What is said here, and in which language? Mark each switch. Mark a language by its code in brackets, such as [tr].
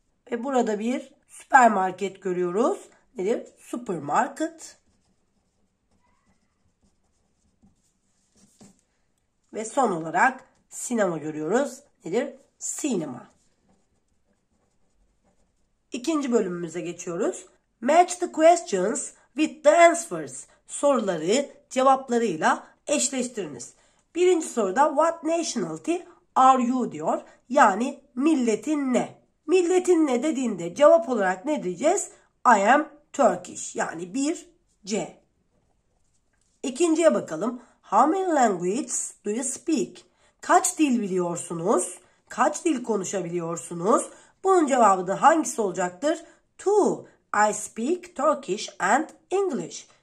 [tr] Ve burada bir süpermarket görüyoruz. Nedir? [en] Supermarket. [tr] Ve son olarak sinema görüyoruz. Nedir? Sinema. İkinci bölümümüze geçiyoruz. [en] Match the questions with the answers. [tr] Soruları cevaplarıyla eşleştiriniz. Birinci soruda [en] what nationality are you [tr] diyor. Yani milletin ne? Milletin ne dediğinde cevap olarak ne diyeceğiz? [en] I am Turkish. [tr] Yani bir C. İkinciye bakalım. [en] How many languages do you speak? [tr] Kaç dil biliyorsunuz? Kaç dil konuşabiliyorsunuz? Bunun cevabı da hangisi olacaktır? [en] Two. I speak Turkish and English.